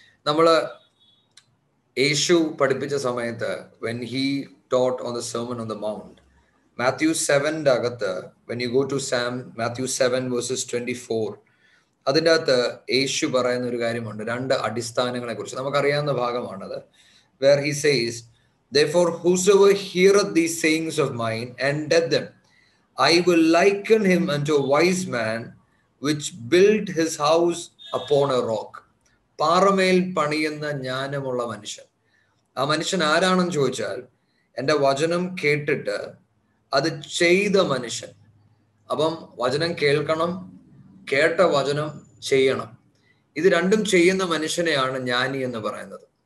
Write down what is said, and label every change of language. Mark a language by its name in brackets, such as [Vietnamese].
[Malayalam] Nammal Yeshu padipicha samayathe, [English] when he taught on the sermon on the mount, Matthew 7 dagathe, when you go to Sam Matthew 7 verses 24, [Malayalam] അതിൻ്റെ അകത്ത് യേശു പറയുന്ന ഒരു കാര്യമുണ്ട്, രണ്ട് അടിസ്ഥാനങ്ങളെ കുറിച്ച് നമുക്കറിയാവുന്ന ഭാഗമാണത്. [English] Where he says, therefore whosoever heareth these sayings of mine and doeth them, I will liken him unto a wise man which built his house upon a rock. [Malayalam] പാറമേൽ പണിയുന്ന ജ്ഞാനമുള്ള മനുഷ്യൻ, ആ മനുഷ്യൻ ആരാണെന്ന് ചോദിച്ചാൽ എൻ്റെ വചനം കേട്ടിട്ട് അത് ചെയ്ത മനുഷ്യൻ. അപ്പം വചനം കേൾക്കണം, കേട്ട വചനം ചെയ്യണം, ഇത് രണ്ടും ചെയ്യുന്ന മനുഷ്യനെയാണ് ജ്ഞാനി എന്ന് പറയുന്നത്.